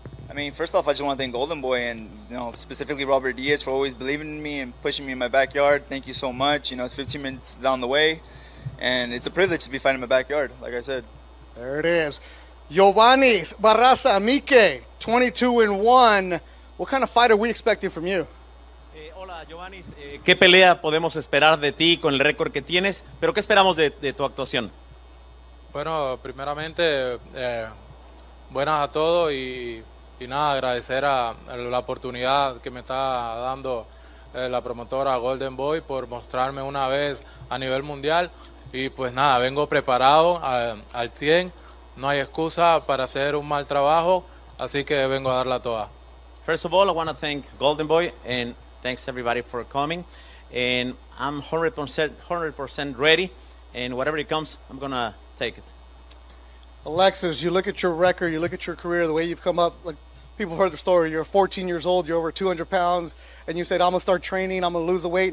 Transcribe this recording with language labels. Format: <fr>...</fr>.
<en>I mean, first off, I just want to thank Golden Boy and, you know, specifically Robert Diaz for always believing in me and pushing me in my backyard. Thank you so much. You know, it's 15 minutes down the way, and it's a privilege to be fighting in my backyard, like I said. There it is. Giovannis Barraza Mike, 22-1. What kind of fight are we expecting from you?</en> <es>Hola, Giovannis. ¿Qué pelea podemos esperar de ti con el récord que tienes? ¿Pero qué esperamos de tu actuación? Bueno, primeramente, buenas a todos y... Y nada, agradecer a la oportunidad que me está dando la promotora Golden Boy por mostrarme una vez a nivel mundial. Y pues nada, vengo preparado al 100. No hay excusa para hacer un mal trabajo, así que vengo a darla toda.</es> <en>First of all, I want to thank Golden Boy, and thanks everybody for coming. And I'm 100% ready, and whatever it comes, I'm going to take it. Alexis, you look at your record, you look at your career, the way you've come up. Like, people heard the story. You're 14 years old, you're over 200 pounds, and you said, I'm going to start training, I'm going to lose the weight.</en>